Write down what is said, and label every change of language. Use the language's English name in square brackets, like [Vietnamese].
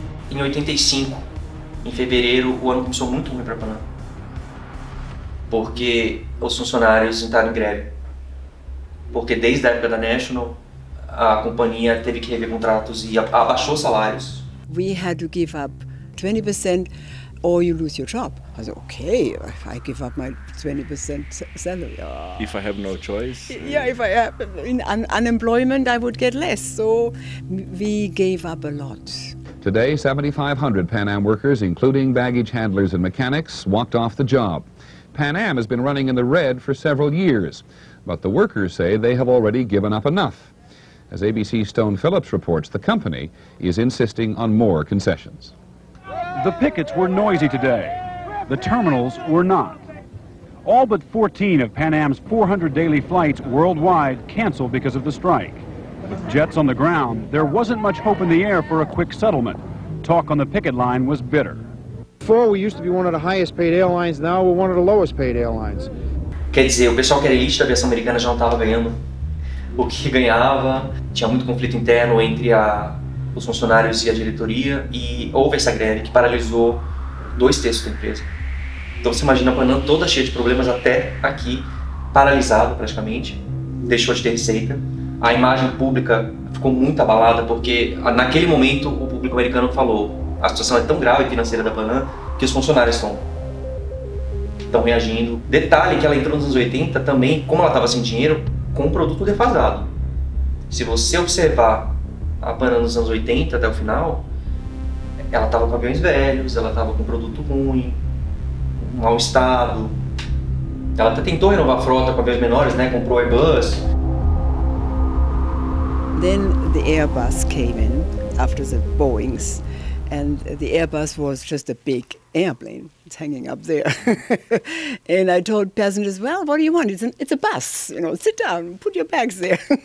[Portuguese] Em 85, em fevereiro, o ano começou muito ruim para a Pan Am, porque os funcionários entraram em greve. Porque desde a época da National, a companhia teve que rever contratos e abaixou salários. [English] We had to give up 20% or you lose your job. I said, okay, if I give up my 20% salary. If I have no choice? Yeah, if I have unemployment, I would get less. So we gave up a lot. Today, 7,500 Pan Am workers, including baggage handlers and mechanics, walked off the job. Pan Am has been running in the red for several years, but the workers say they have already given up enough. As ABC's Stone Phillips reports, the company is insisting on more concessions. The pickets were noisy today. The terminals were not. All but 14 of Pan Am's 400 daily flights worldwide canceled because of the strike. With jets on the ground, there wasn't much hope in the air for a quick settlement. Talk on the picket line was bitter. Before, we used to be one of the highest paid airlines, now we're one of the lowest paid airlines. [Portuguese] Quer dizer, o pessoal que era elite da aviação americana já não estava ganhando o que ganhava. Tinha muito conflito interno entre os funcionários e a diretoria. E houve essa greve que paralisou dois terços da empresa. Então você imagina a Pan Am toda cheia de problemas até aqui, paralisado praticamente. Deixou de ter receita. A imagem pública ficou muito abalada porque, naquele momento, o público americano falou: a situação é tão grave financeira da Pan Am que os funcionários estão reagindo. Detalhe que ela entrou nos anos 80 também, como ela estava sem dinheiro, com um produto defasado. Se você observar a Pan Am nos anos 80 até o final, ela estava com aviões velhos, ela estava com produto ruim, mau estado. Ela até tentou renovar a frota com aviões menores, né? Comprou Airbus. [English] Then the Airbus came in after the Boeings, and the Airbus was just a big airplane. It's hanging up there. And I told passengers, well, what do you want? It's a bus, you know, sit down, put your bags there.